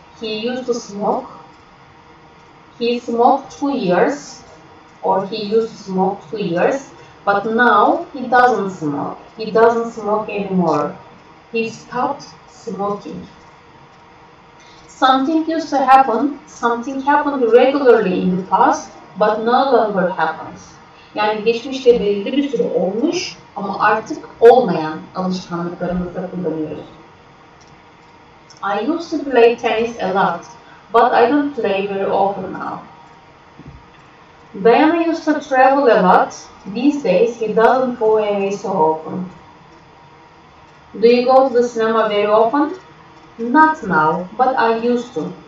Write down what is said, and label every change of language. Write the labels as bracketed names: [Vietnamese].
[English] He used to smoke. He smoked 2 years, or he used to smoke 2 years, but now he doesn't smoke. He doesn't smoke anymore. He stopped smoking. Something used to happen. Something happened regularly in the past, but no longer happens. [Turkish] Yani geçmişte belirli bir süre olmuş, ama artık olmayan alışkanlıklarımızı kullanıyoruz. [English] I used to play tennis a lot, but I don't play very often now. Diana used to travel a lot. These days, he doesn't go away so often. Do you go to the cinema very often? Not now, but I used to.